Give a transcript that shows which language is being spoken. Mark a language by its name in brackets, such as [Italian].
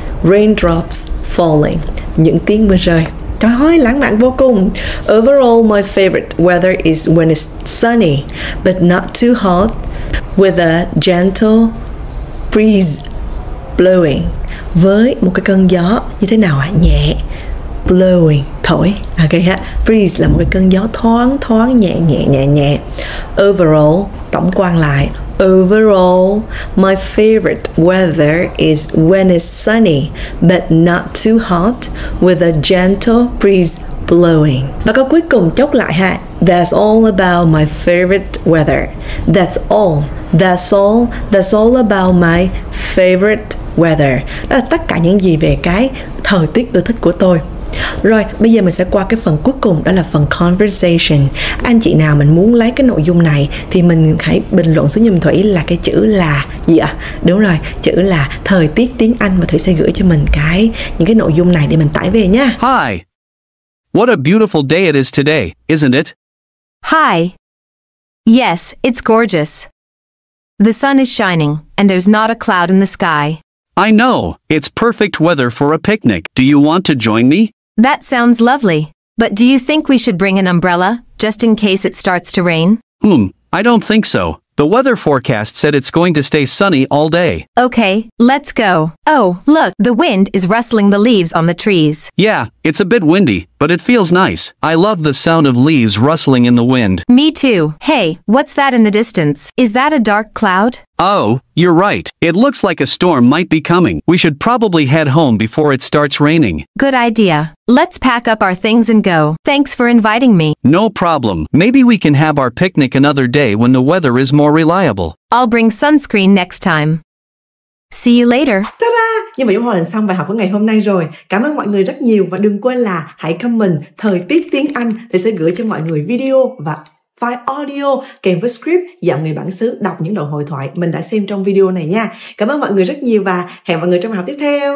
[English] Raindrops falling. [Vietnamese] Những tiếng mưa rơi. Trời ơi, lãng mạn vô cùng. [English] Overall, my favorite weather is when it's sunny, but not too hot, with a gentle breeze blowing. [Vietnamese] Với một cái cơn gió như thế nào ạ? Nhẹ. Blowing, thổi. Okay, ha. Breeze là một cái cơn gió thoáng thoáng, nhẹ nhẹ nhẹ nhẹ. Overall, tổng quan lại. [English] Overall, my favorite weather is when it's sunny, but not too hot, with a gentle breeze blowing. [Vietnamese] Và câu cuối cùng chốt lại ha. [English] That's all about my favorite weather. That's all. That's all. That's all about my favorite weather. [Vietnamese] Đó là tất cả những gì về cái thời tiết ưa thích của tôi. Rồi, bây giờ mình sẽ qua cái phần cuối cùng, đó là phần conversation. Anh chị nào mình muốn lấy cái nội dung này thì mình hãy bình luận xuống giùm Thủy là cái chữ là gì ạ? Đúng rồi, chữ là thời tiết tiếng Anh, và Thủy sẽ gửi cho mình cái những cái nội dung này để mình tải về nha. [English] Hi. What a beautiful day it is today, isn't it? Hi. Yes, it's gorgeous. The sun is shining and there's not a cloud in the sky. I know, it's perfect weather for a picnic. Do you want to join me? That sounds lovely. But do you think we should bring an umbrella, just in case it starts to rain? I don't think so. The weather forecast said it's going to stay sunny all day. Okay, let's go. Oh, look, the wind is rustling the leaves on the trees. Yeah, it's a bit windy, but it feels nice. I love the sound of leaves rustling in the wind. Me too. Hey, what's that in the distance? Is that a dark cloud? Oh, you're right. It looks like a storm might be coming. We should probably head home before it starts raining. Good idea. Let's pack up our things and go. Thanks for inviting me. No problem. Maybe we can have our picnic another day when the weather is more reliable. I'll bring sunscreen next time. See you later. Ta-da! [Vietnamese] Như vậy chúng ta đã xong bài học của ngày hôm nay rồi. Cảm ơn mọi người rất nhiều và đừng quên là hãy comment thời tiết tiếng Anh thì sẽ gửi cho mọi người video và file audio kèm với script giọng người bản xứ đọc những đoạn hội thoại mình đã xem trong video này nha. Cảm ơn mọi người rất nhiều và hẹn mọi người trong bài học tiếp theo.